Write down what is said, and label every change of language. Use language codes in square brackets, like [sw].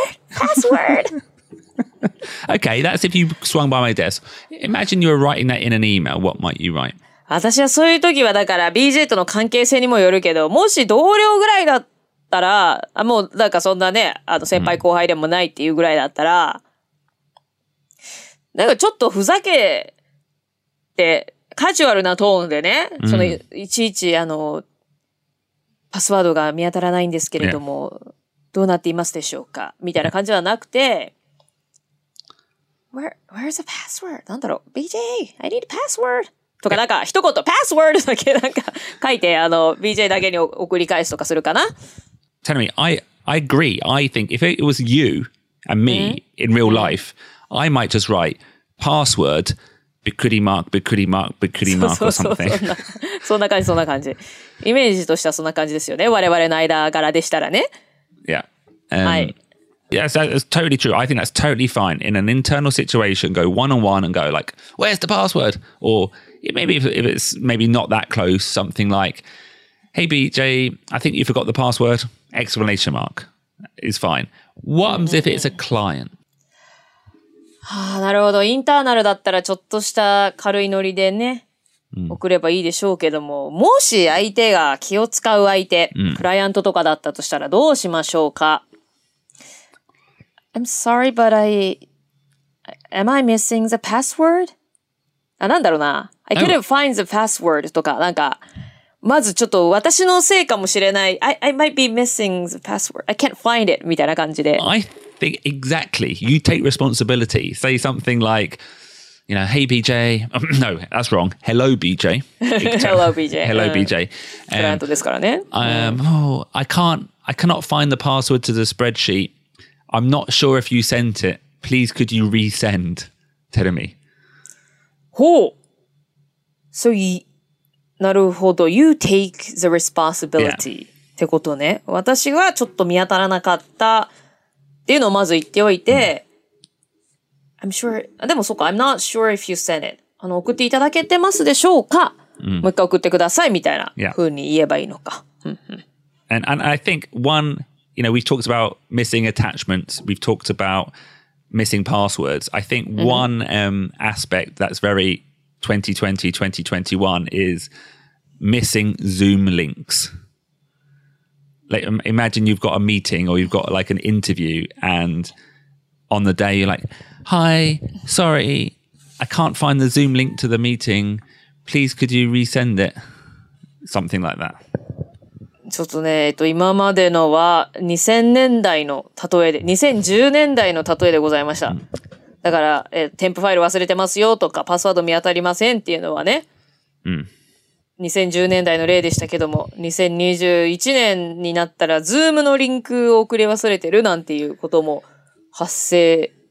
[en] Password! Okay, that's if you swung by my desk. Imagine you were writing that in an email. What might you write? [ja] 私はそういう時はだから BJ との関係性にもよるけど、もし同僚ぐらいだったら、もうなんかそんなね、先輩後輩でもないっていうぐらいだったら、なんかちょっとふざけて、カジュアルなトーンでね、そのいちいちパスワードが見当たらないんですけれども、yeah. どうなっていますでしょうかみたいな感じはなくて、 [en] Where's the password? [ja] なんだろう ?BJ, [en] I need a password! [ja] とかなんか一言、password! だけなんか書いて、BJ だけに送り返すとかするかな [en] ?Tell me, I agree. I think if it was you and me in real life, I might just write password, bikuri mark, bikuri mark, bikuri mark or something. [ja] そんな感じ。イメージとしてはそんな感じですよね。我々の間柄でしたらね。 [en] Yeah. Yes, that's totally true. I think that's totally fine. In an internal situation, go one-on-one and go like, where's the password? Or maybe if it's maybe not that close, something like, hey, BJ, I think you forgot the password. Exclamation mark is fine. What happens if it's a client? [ja] なるほど。インターナルだったらちょっとした軽いノリでね。送ればいいでしょうけども、うん、もし相手が気を使う相手、うん、クライアントとかだったとしたらどうしましょうか。 [en] I'm sorry, but am I missing the password? [ja] あ、なんだろうな。 [en] I couldn't find the password [ja] とか、なんか、まずちょっと私のせいかもしれない。 [en] I might be missing the password. I can't find it [ja] みたいな感じで。 [en] I think exactly. You take responsibility. Say something like,You know, hey BJ. No, that's wrong. Hello BJ. Hello BJ. Hello BJ. I cannot find the password to the spreadsheet. I'm not sure if you sent it. Please, could you resend? Tell me. Oh. So, [ja] なるほど。 [en] You take the responsibility. [ja] ってことね。私はちょっと見当たらなかったっていうのをまず言っておいて、 [en] I'm sure, [ja] でもそうか、 [en] I'm not sure if you sent it. [ja] 送っていただけてますでしょうか、うん、もう一回送ってくださいみたいな風に言えばいいのか。 [en] and I think one, you know, we've talked about missing attachments, we've talked about missing passwords. I think one、うん aspect that's very 2020, 2021 is missing Zoom links. Like, imagine you've got a meeting or you've got like an interview and on the day you're like,Hi, sorry, I can't find the Zoom link to the meeting. Please, could you resend it? Something like that. [ja] ちょっとね、今までのは2000年代の例えで、2010年代の例えでございました。だから、添付ファイル忘れてますよとか、パスワード見当たりませんっていうのはね、2010年代の例でしたけども、2021年になったら、Zoom のリンクを送り忘れてるなんていうことも発生。